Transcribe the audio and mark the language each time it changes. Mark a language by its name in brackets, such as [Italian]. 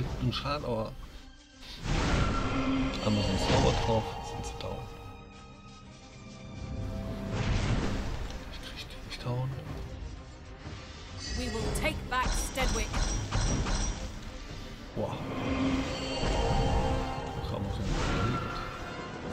[German] Schaden, aber haben wir so einen Zauber drauf, sind sie down. Ich krieg die nicht down. [English] We will take back Stedwick. [German] Boah. Wir haben uns ja nicht überlegt.